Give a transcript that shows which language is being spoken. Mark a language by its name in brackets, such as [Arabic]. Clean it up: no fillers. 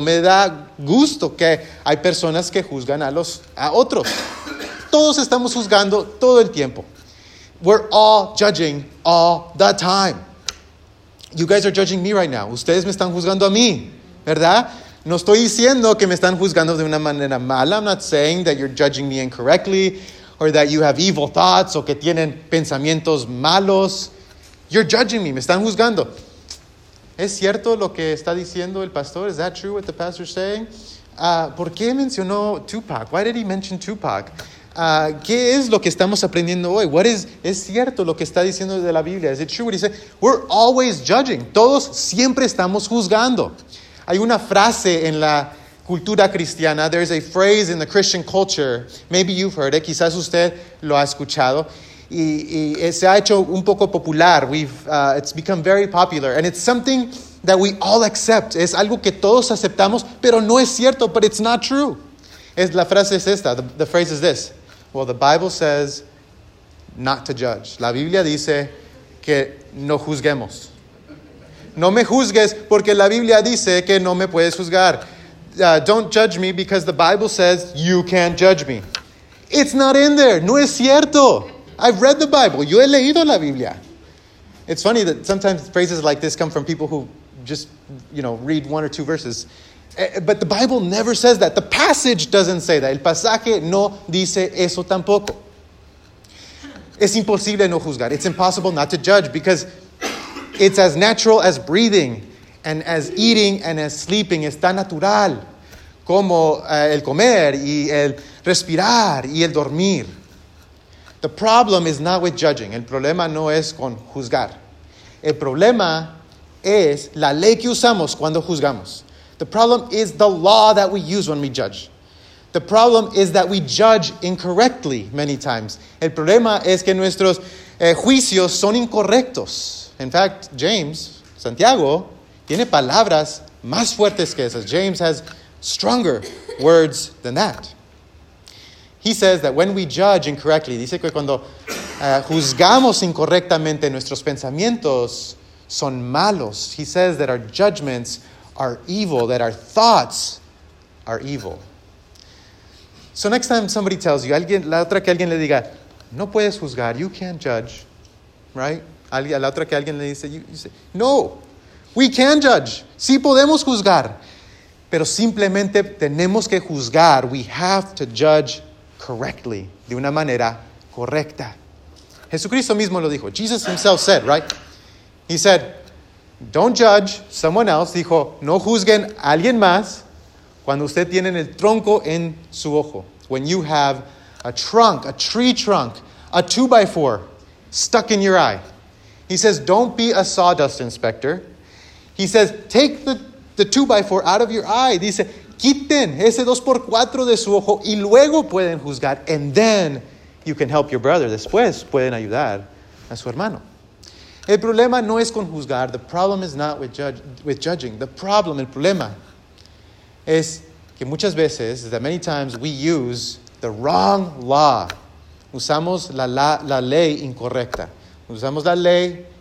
[Spanish] Me da gusto que hay personas que juzgan a otros. Todos estamos juzgando todo el tiempo. [English] We're all judging all the time. You guys are judging me right now. [Spanish] Ustedes me están juzgando a mí, ¿verdad? No estoy diciendo que me están juzgando de una manera mala. [English] I'm not saying that you're judging me incorrectly or that you have evil thoughts [Spanish] o que tienen pensamientos malos. [English] You're judging me. [Spanish] Me están juzgando. ¿Es cierto lo que está diciendo el pastor? [English] Is that true what the pastor is saying? [Spanish] ¿Por qué mencionó Tupac? [English] Why did he mention Tupac? [Spanish] ¿Qué es lo que estamos aprendiendo hoy? [English] What is, [Spanish] ¿es cierto lo que está diciendo de la Biblia? [English] Is it true what he said? We're always judging. [Spanish] Todos siempre estamos juzgando. Hay una frase en la cultura cristiana. [English] There's a phrase in the Christian culture. Maybe you've heard it. [Spanish] Quizás usted lo ha escuchado. Y se ha hecho un poco popular. [English] It's become very popular. And it's something that we all accept. [Spanish] Es algo que todos aceptamos, pero no es cierto. [English] But it's not true. [Spanish] La frase es esta. [English] The phrase is this. Well, the Bible says not to judge. [Spanish] La Biblia dice que no juzguemos. No me juzgues porque la Biblia dice que no me puedes juzgar. [English] Don't judge me because the Bible says you can't judge me. It's not in there. [Spanish] No es cierto. [English] I've read the Bible. [Spanish] Yo he leído la Biblia. [English] It's funny that sometimes phrases like this come from people who just, you know, read one or two verses. But the Bible never says that. The passage doesn't say that. [Spanish] El pasaje no dice eso tampoco. Es imposible no juzgar. [English] It's impossible not to judge because it's as natural as breathing and as eating and as sleeping. [Spanish] Es tan natural como el comer y el respirar y el dormir. [English] The problem is not with judging. [Spanish] El problema no es con juzgar. El problema es la ley que usamos cuando juzgamos. [English] The problem is the law that we use when we judge. The problem is that we judge incorrectly many times. [Spanish] El problema es que nuestros juicios son incorrectos. [English] In fact, [Spanish] James, Santiago, tiene palabras más fuertes que esas. [English] James has stronger words than that. He says that when we judge incorrectly, [Spanish] dice que cuando juzgamos incorrectamente, nuestros pensamientos son malos. [English] He says that our judgments are evil, that our thoughts are evil. So next time somebody tells you, [Spanish] la otra que alguien le diga, no puedes juzgar, [English] you can't judge, right? [Spanish] La otra que alguien le dice, [English] you say, no, we can judge. [Spanish] Sí podemos juzgar, pero simplemente tenemos que juzgar. [English] We have to judge correctly, [Spanish] de una manera correcta. Jesucristo mismo lo dijo. [English] Jesus himself said, right? He said, don't judge someone else. [Spanish] Dijo, no juzguen a alguien más cuando usted tiene el tronco en su ojo. [English] When you have a trunk, a tree trunk, a 2x4 stuck in your eye. He says, don't be a sawdust inspector. He says, take the 2x4 out of your eye. [Spanish] Dice, quiten ese 2x4 de su ojo y luego pueden juzgar. [English] And then you can help your brother. [Spanish] Después pueden ayudar a su hermano. El problema no es con juzgar. [English] The problem is not with judging. The problem, [Spanish] el problema, es que muchas veces, [English] that many times we use the wrong law. [Spanish] Usamos la ley incorrecta. Usamos la ley